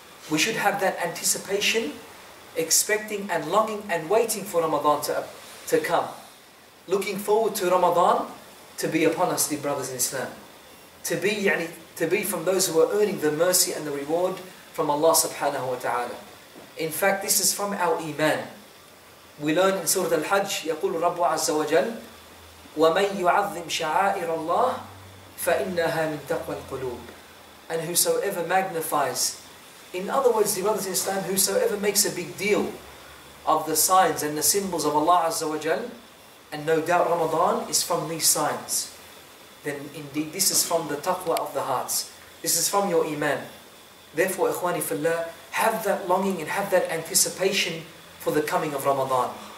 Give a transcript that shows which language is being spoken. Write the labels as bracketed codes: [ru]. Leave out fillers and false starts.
[en] We should have that anticipation, expecting and longing and waiting for Ramadan to come. Looking forward to Ramadan to be upon us, dear brothers in Islam. To be, yani, to be from those who are earning the mercy and the reward from Allah subhanahu wa ta'ala. In fact, this is from our iman. We learn in Surah Al-Hajj, [ar] يقول الرب عز وجل وَمَنْ يُعَظِّمْ شَعَائِرَ اللَّهِ فَإِنَّهَا مِنْ تَقْوَى الْقُلُوبِ. [en] And whosoever magnifies, in other words, dear brothers in Islam, whosoever makes a big deal of the signs and the symbols of Allah Azza wa Jal, and no doubt Ramadan is from these signs, then indeed this is from the taqwa of the hearts. This is from your iman. Therefore, ikhwani fillah, have that longing and have that anticipation for the coming of Ramadan.